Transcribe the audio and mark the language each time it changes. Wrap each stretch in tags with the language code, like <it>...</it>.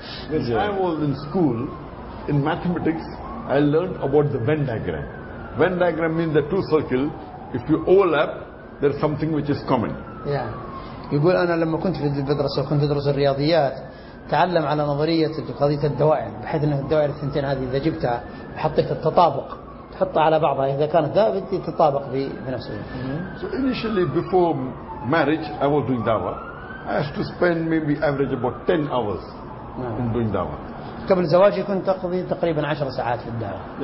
<en>When I was in school, in mathematics, I learned about the Venn diagram. Venn diagram means the two circles. If you overlap, there is something which is common. Yeah.</en> <ar>يقول أنا لما كنت في المدرسة وكنت أدرس الرياضيات تعلم على نظرية قضية الدوائر بحيث أن الدوائر الثنتين هذه إذا جبتها حطيت التطابق تحطها على بعضها إذا كانت ذا بدي تطابق بنفسه.</ar> <en>So initially before marriage, I was doing dawah. I have to spend maybe average about 10 hours.</en> <ar>نعم. قبل زواجي كنت أقضي تقريبا 10 ساعات في الدعوة.</ar>